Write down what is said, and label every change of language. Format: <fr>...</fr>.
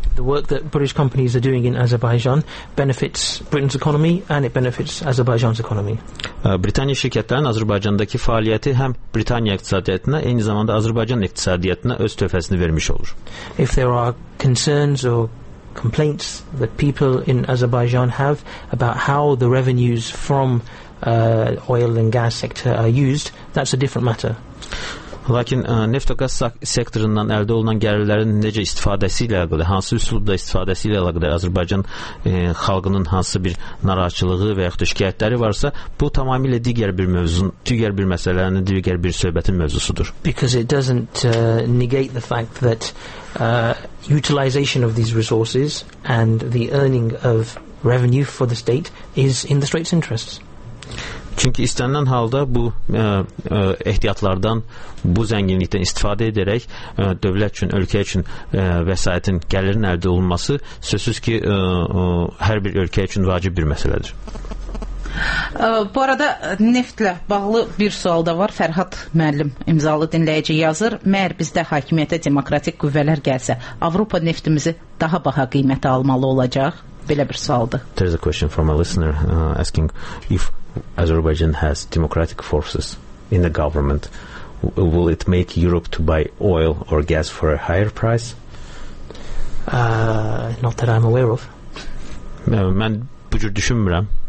<en>The work that British companies are doing in Azerbaijan benefits Britain's economy and it benefits Azerbaijan's economy.</en> <az>Britaniya şirkətlərinin Azərbaycandakı fəaliyyəti həm Britaniya iqtisadiyyatına, eyni zamanda Azərbaycan iqtisadiyyatına öz töhfəsini vermiş olur.</az> <en>If there are concerns or complaints that people in Azerbaijan have about how the revenues from oil and gas sector are used, that's a different matter.</en> <az>Lakin neft və qaz sektorundan əldə olunan gəlirlərin necə istifadəsi ilə əlaqədar, hansı üslubda istifadəsi ilə əlaqədar Azərbaycan xalqının hansı bir narahatçılığı və yaxud da şikayətləri varsa, bu tamamilə digər bir söhbətin mövzusudur.</az> <en>Because it doesn't negate the fact that utilization of these resources and the earning of revenue for the state is in the state's interests.</en> <az>Çünki istənilən halda bu ehtiyatlardan, bu zənginlikdən istifadə edərək dövlət üçün, ölkə üçün vəsaitin gəlirin əldə olunması sözsüz ki, hər bir ölkə üçün vacib bir məsələdir. Bu arada neftlə bağlı bir sual da var. Fərhad müəllim imzalı dinləyici yazır. Məyər bizdə hakimiyyətə demokratik qüvvələr gəlsə, Avropa neftimizi daha baha qiymətə almalı olacaq? Belə bir sualdır.</az> <en>There is a question from a listener asking if Azerbaijan has democratic forces in the government, will it make Europe to buy oil or gas for a higher price? Not that I'm aware of.</en> <az>Mən bu cür düşünmürəm.</az>